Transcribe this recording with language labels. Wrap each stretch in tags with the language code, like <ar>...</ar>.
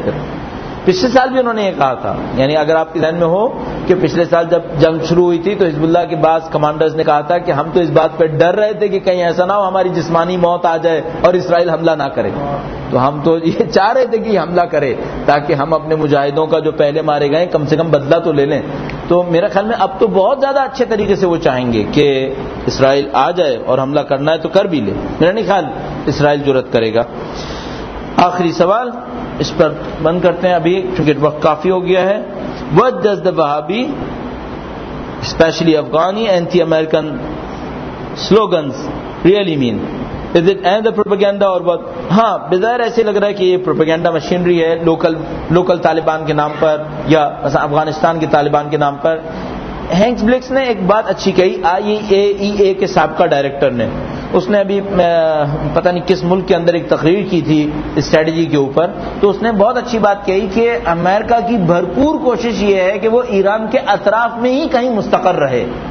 <ur>پھر پچھلے سال بھی انہوں نے یہ کہا تھا, یعنی اگر آپ کے ذہن میں ہو کہ پچھلے سال جب جنگ شروع ہوئی تھی تو حزب اللہ کے بعض کمانڈرز نے کہا تھا کہ ہم تو اس بات پہ ڈر رہے تھے کہ کہیں ایسا نہ ہو ہماری جسمانی موت آ جائے اور اسرائیل حملہ نہ کرے, تو ہم تو یہ چاہ رہے تھے کہ حملہ کرے تاکہ ہم اپنے مجاہدوں کا جو پہلے مارے گئے کم سے کم بدلہ تو لے لیں. تو میرا خیال میں اب تو بہت زیادہ اچھے طریقے سے وہ چاہیں گے کہ اسرائیل آ جائے اور حملہ کرنا ہے تو کر بھی لے. میرا نہیں خیال اسرائیل جرت کرے گا. آخری سوال اس پر بند کرتے ہیں ابھی کیونکہ وقت کافی ہو گیا ہے.</ur> <en>What does the Wahhabi, especially Afghani anti-American slogans really mean? Is it another propaganda or what?</en> <ur>ہاں بظاہر ایسے لگ رہا ہے کہ یہ پروپیگنڈا مشینری ہے لوکل طالبان کے نام پر یا مثلا افغانستان کے طالبان کے نام پر. ہینکس بلکس نے ایک بات اچھی کہی, IAEA کے سابقہ ڈائریکٹر نے, اس نے ابھی پتہ نہیں کس ملک کے اندر ایک تقریر کی تھی اسٹریٹجی کے اوپر, تو اس نے بہت اچھی بات کہی کہ امریکہ کی بھرپور کوشش یہ ہے کہ وہ ایران کے اطراف میں ہی کہیں مستقر رہے.</ur>